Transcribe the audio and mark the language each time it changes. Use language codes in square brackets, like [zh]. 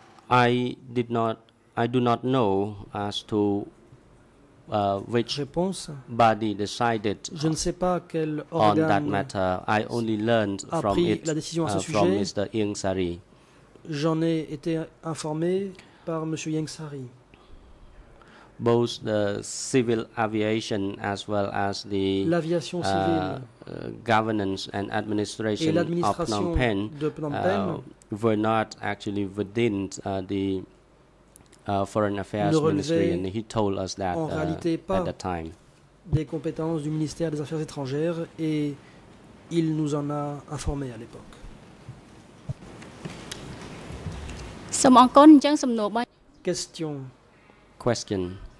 [en] I do not know as to which [fr] réponse. [en] Body decided [fr] je ne sais pas quel [en] on that matter. I only learned from it [fr] la décision à ce sujet. [en] From Mr. Yeng Sari. [fr] J'en ai été informé par Monsieur Yeng Sari. [en] Both the civil aviation as well as the [fr] l'aviation civile [en] governance and administration [fr] et l'administration [en] of Phnom Penh, [fr] de Phnom Penh [en] were not actually within the Foreign Affairs Ministry, and he told us that [fr] en réalité pas [en] at the time. [fr] Des compétences du ministère des Affaires étrangères et il nous en a informé à l'époque. Question. Question.